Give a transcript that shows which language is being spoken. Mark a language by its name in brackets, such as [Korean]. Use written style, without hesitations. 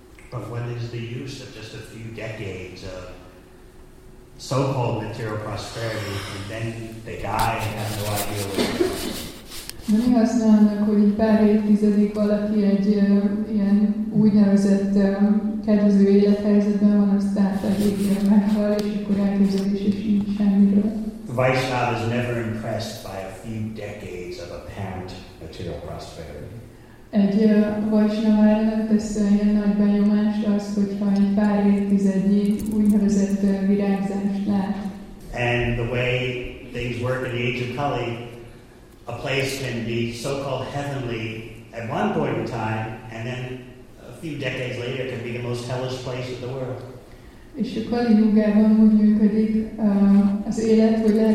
[English] But what is the use of just a few decades of so-called material prosperity, and then they die and have no idea what it is. [Hungarian] De mi használnak, hogy pár évtizedig valaki egy ilyen úgynevezett kedvező élethelyzetben van, aztán pedig ilyen meghal, és akkor elképzelése sincs semmiről. [English] Vaishnava is never impressed by a few decades of apparent material prosperity. [Hungarian] Egy Vaishnava nem tesz olyan nagy benyomást az, hogyha egy pár évtizednyi úgynevezett virágzást lát. [English] And the way things work in the age of Kali, a place can be so-called heavenly at one point in time, and then a few decades later can be the most hellish place in the world. [Hungarian] És a Kali-yugában úgy működik az élet,